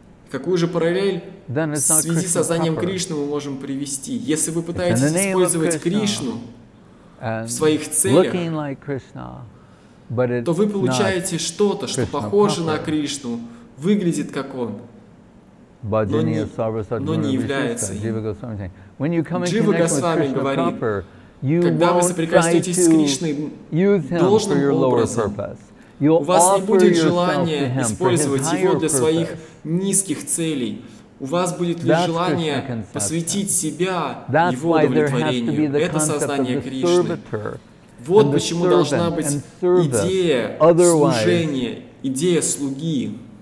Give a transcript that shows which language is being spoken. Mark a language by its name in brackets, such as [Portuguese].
[Russian] какую же параллель в связи с сознанием Кришны мы можем привести? Если вы пытаетесь использовать Кришну в своих целях, то вы получаете что-то, что похоже на Кришну, выглядит как Он. [Sanskrit] Bhajaniya Sarvasadhyana. [English] When you come in connection with Krishna proper, you won't try to use him for your lower purpose. [Russian] У вас не будет желания использовать его для своих низких целей. У вас будет лишь желание посвятить себя его удовлетворению. Это сознание Кришны. Вот почему должна быть идея служения, идея слуги.